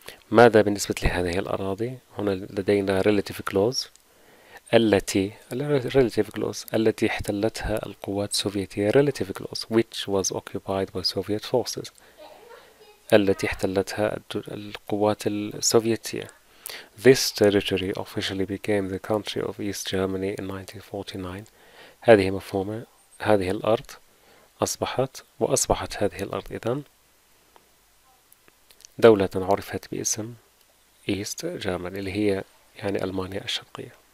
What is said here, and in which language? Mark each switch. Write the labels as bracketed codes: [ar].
[ar] ماذا بالنسبة لهذه الأراضي؟ هنا لدينا [en] relative clause، التي relative clause التي احتلتها القوات السوفيتية، relative clause which was occupied by Soviet forces، [ar] التي احتلتها القوات السوفيتية. [en] This territory officially became the country of East Germany in 1949. [ar] هذه مفهومة، هذه الأرض أصبحت، وأصبحت هذه الأرض إذن دولة عرفت باسم إيست جيرمان، اللي هي يعني ألمانيا الشرقية.